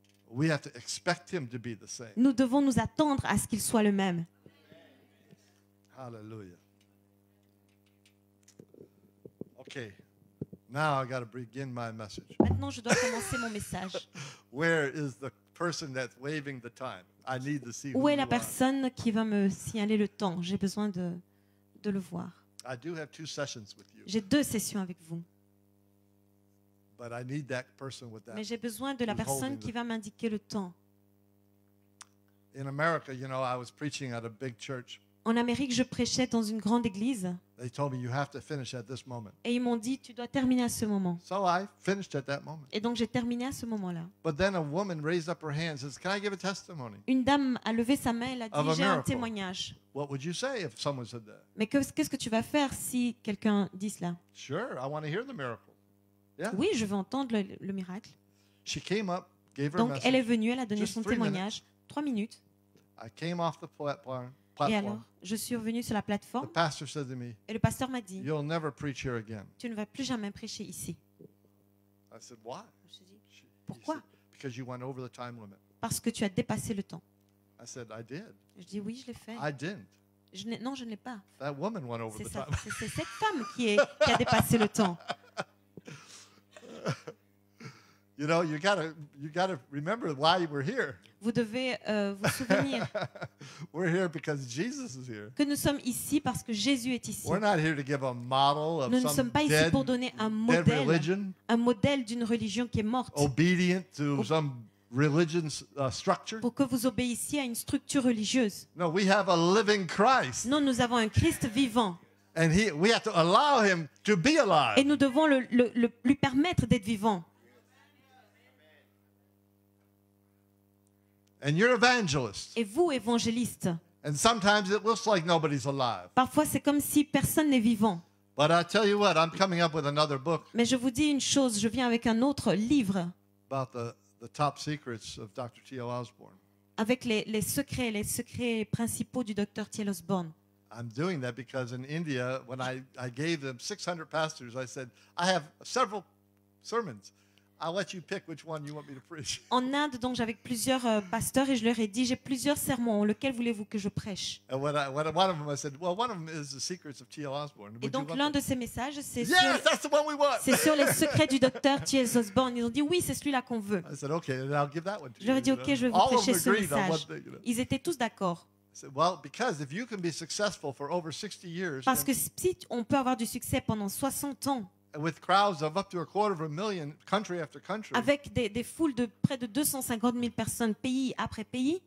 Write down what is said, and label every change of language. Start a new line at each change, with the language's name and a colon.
English: We have to expect him to be the same.
French: Nous devons nous attendre à ce qu'il soit le même.
English: Hallelujah. Okay. Now I got to begin my message.
French: Maintenant, je dois commencer mon message.
English: Where is the person that's waving the time? I need to see
French: où est la personne qui va me signaler le temps? J'ai besoin de le voir.
English: I do have two sessions with you.
French: J'ai deux sessions avec vous.
English: But I need that person with that.
French: Mais j'ai besoin de la personne qui va m'indiquer le temps.
English: In America, you know, I was preaching at a big church.
French: En Amérique, je prêchais dans une grande église.
English: They told me you have to finish at this moment.
French: Et ils m'ont dit tu dois terminer à ce moment.
English: So I finished at that moment.
French: Et donc j'ai terminé à ce moment-là.
English: But then a woman raised up her hand and says, "Can I give a testimony?"
French: Une dame a levé sa main, elle a dit j'ai un témoignage.
English: What would you say if someone said that?
French: Mais qu'est-ce que tu vas faire si quelqu'un dit cela?
English: Sure, I want to hear the miracle. Yeah.
French: Oui, je veux entendre le miracle.
English: She came up, gave
French: donc,
English: her
French: elle est venue, elle a donné son témoignage.
English: Minutes.
French: 3 minutes.
English: I came off the platform.
French: Et alors, je suis revenue sur la plateforme.
English: The pastor said to me,
French: et le pasteur m'a dit,
English: you'll never preach here again.
French: Tu ne vas plus jamais prêcher ici.
English: I said, why?
French: Je dis, pourquoi?
English: Because you went over the time limit.
French: Parce que tu as dépassé le temps.
English: I said, I did.
French: Je dis, oui, je l'ai fait.
English: I didn't.
French: Je ne l'ai pas.
English: That woman went over
French: c'est
English: the
French: ça,
English: time.
French: C'est cette femme qui a dépassé le temps.
English: You know, you gotta remember why we're here.
French: Vous devez vous souvenir.
English: We're here because Jesus is here.
French: Que nous sommes ici parce que Jésus est ici.
English: We're not here to give a model of
French: nous
English: some
French: ne sommes pas
English: dead,
French: ici pour donner un modèle,
English: religion,
French: un modèle d'une religion qui est morte.
English: Obedient to some religion structure.
French: Pour que vous obéissiez à une structure religieuse.
English: No, we have a living Christ.
French: Non, nous avons un Christ vivant.
English: And we have to allow him to be alive.
French: Et nous devons le lui permettre d'être vivant.
English: And you're evangelist.
French: Et vous, évangéliste.
English: And sometimes it looks like nobody's alive.
French: Parfois, c'est comme si personne n'est vivant.
English: But I tell you what, I'm coming up with another book.
French: Mais je vous dis une chose, je viens avec un autre livre.
English: About the top secrets of Dr. T.L. Osborne.
French: Avec les secrets principaux du Dr. T.L. Osborne.
English: I'm doing that because in India, when I gave them 600 pastors, I said, I have several sermons. I'll let you pick which one you want me to preach.
French: En Inde, donc, j'avais plusieurs pasteurs et je leur ai dit, j'ai plusieurs sermons. Lequel voulez-vous que je prêche?
English: And when one of them, I said, well, one of them is the secrets of T.L. Osborne.
French: Et donc, l'un de ces messages, c'est
English: sur... Yes, that's the one we want.
French: C'est sur les secrets du docteur T.L. Osborne. Ils ont dit, oui, c'est celui-là qu'on veut.
English: I said, okay, and I'll give that one to you.
French: Je leur ai dit, okay, je vais vous prêcher ce message. Ils étaient tous d'accord.
English: Well, because if you can be successful for over 60 years,
French: parce que si on peut avoir du succès pendant 60 ans,
English: with crowds of up to a quarter of a million, country after country,
French: avec des foules de près de 250 000 personnes, pays après pays,